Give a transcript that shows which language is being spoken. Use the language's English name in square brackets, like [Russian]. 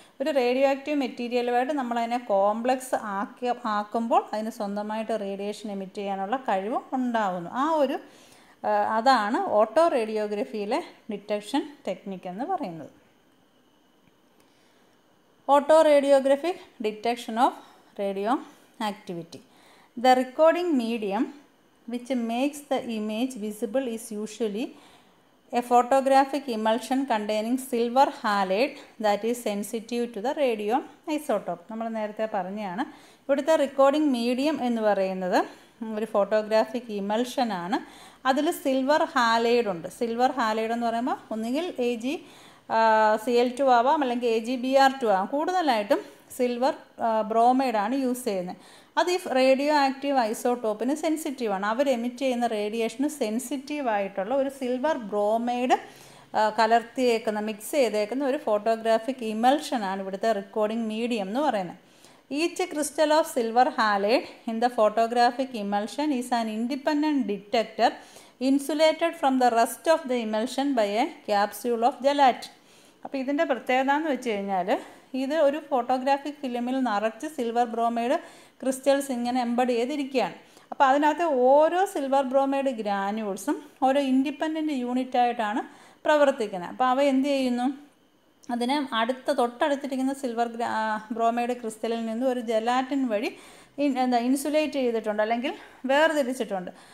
[Malayalam] ഒരു radio active മെറ്റീരിയലുമായിട്ട് നമ്മളതിനെ complex ആക്കുമ്പോൾ അതിന് സ്വന്തമായിട്ട് റേഡിയേഷൻ എമിറ്റ് ചെയ്യാനുള്ള കഴിവും ഉണ്ടാവുന്നു. ആ ഒരു അതാണ് ഓട്ടോ റേഡിയോഗ്രഫിയിലെ ഡിറ്റക്ഷൻ ടെക്നിക്ക് എന്ന് പറയുന്നത്. [English] Auto radiography detection of radio activity. The recording medium which makes the image visible is usually a photographic emulsion containing silver halide that is sensitive to the radio isotope. [Malayalam] നമ്മൾ നേരത്തെ പറഞ്ഞതാണ് ഇവിടുത്തെ recording medium എന്ന് പറയുന്നത് ഒരു photographic emulsion ആണ്. അതിൽ silver halide ഉണ്ട്. സിൽവർ ഹാലൈഡ് എന്ന് പറയുമ്പോൾ ഒന്നുകിൽ AgCl2 ആവാം, അല്ലെങ്കിൽ AgBr2 ആവാം. കൂടുതലായിട്ടും സിൽവർ ബ്രോമൈഡ് ആണ് യൂസ് ചെയ്യുന്നത്. അത് ഈ റേഡിയോ ആക്റ്റീവ് ഐസോടോപ്പിന് സെൻസിറ്റീവ് ആണ്. അവർ എമിറ്റ് ചെയ്യുന്ന റേഡിയേഷന് സെൻസിറ്റീവ് ആയിട്ടുള്ള ഒരു സിൽവർ ബ്രോമൈഡ് കലർത്തിയേക്കുന്ന, മിക്സ് ചെയ്തേക്കുന്ന ഒരു ഫോട്ടോഗ്രാഫിക് ഇമൾഷൻ ആണ് ഇവിടുത്തെ റെക്കോർഡിംഗ് മീഡിയം എന്ന് പറയുന്നത്. [English] Each crystal of silver halide in the photographic emulsion is an independent detector insulated from the rest of the emulsion by a capsule of gelatin. [Malayalam] അപ്പോൾ ഇതിൻ്റെ പ്രത്യേകത എന്ന് വെച്ച് കഴിഞ്ഞാൽ, ഇത് ഒരു ഫോട്ടോഗ്രാഫിക് ഫിലിമിൽ നിറച്ച് സിൽവർ ബ്രോമൈഡ് ക്രിസ്റ്റൽസ് ഇങ്ങനെ എംബഡ് ചെയ്തിരിക്കുകയാണ്. അപ്പോൾ അതിനകത്ത് ഓരോ സിൽവർ ബ്രോമൈഡ് ഗ്രാനുൾസും ഓരോ ഇൻഡിപെൻഡൻറ്റ് യൂണിറ്റായിട്ടാണ് പ്രവർത്തിക്കുന്നത്. അപ്പോൾ അവ എന്ത് ചെയ്യുന്നു, അതിനെ അടുത്ത തൊട്ടടുത്തിരിക്കുന്ന സിൽവർ ബ്രോമൈഡ് ക്രിസ്റ്റലിൽ നിന്ന് ഒരു ജെലാറ്റിൻ വഴി ഇൻസുലേറ്റ് ചെയ്തിട്ടുണ്ട്, അല്ലെങ്കിൽ വേർതിരിച്ചിട്ടുണ്ട്.